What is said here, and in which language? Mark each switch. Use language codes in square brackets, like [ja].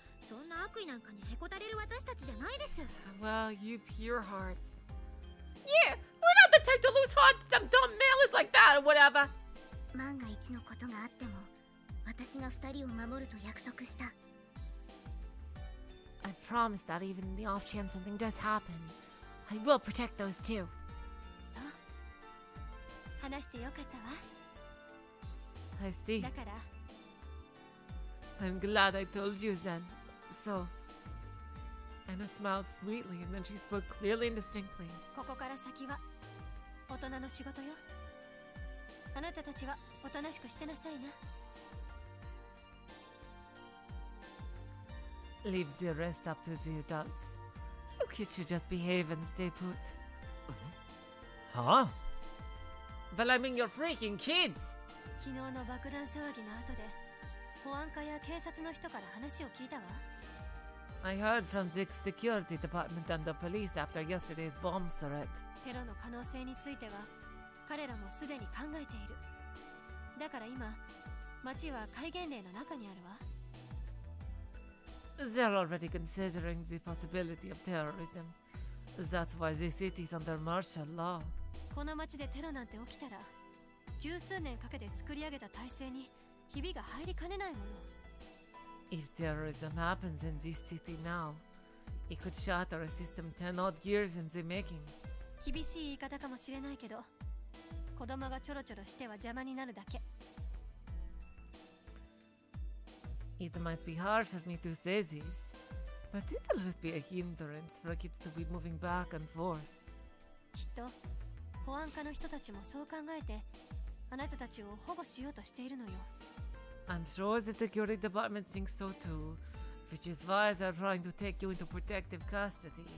[ja] そんな悪意なんかにへこたれる私たちじゃないです。 [en] Well, you pure hearts. Yeah. We're not the type to lose heart to some dumb malice like that or whatever! [ja] 万が一のことがあっても、私が二人を守ると約束した。 [en] I promise that even in the off chance something does happen, I will protect those two. [ja] そう。話してよかったわ。 [en] I see. [ja] だから。 [en] I'm glad I told you then. So... Anna smiled sweetly and then she spoke clearly and distinctly. [ja] ここから先は大人の仕事よ。あなたたちはおとなしくしてなさいな。 [en] Leave the rest up to the adults. You kids should just behave and stay put. Huh? Well, I mean, you're freaking kids! [ja] 昨日の爆弾騒ぎの後で保安課や警察の人から話を聞いたわ。 [en] I heard from the security department and the police after yesterday's bomb threat. [ja] テロの可能性については、彼らもすでに考えている。だから今、街は戒厳令の中にあるわ。 [en] They're already considering the possibility of terrorism. That's why the city's under martial law. [ja] この街でテロなんて起きたら、十数年かけて作り上げた体制にひびが入りかねないもの。 [en] If terrorism happens in this city now, it could shatter a system 10 odd years in the making. [ja] 厳しい言い方かもしれないけど、子供がちょろちょろしては邪魔になるだけ。 [en] It might be harsh of me to say this, but it'll just be a hindrance for kids to be moving back and forth. [ja] きっと、保安課の人たちもそう考えて、あなたたちを保護しようとしているのよ。 [en] I'm sure the security department thinks so too, Which is why they're trying to take you into protective custody.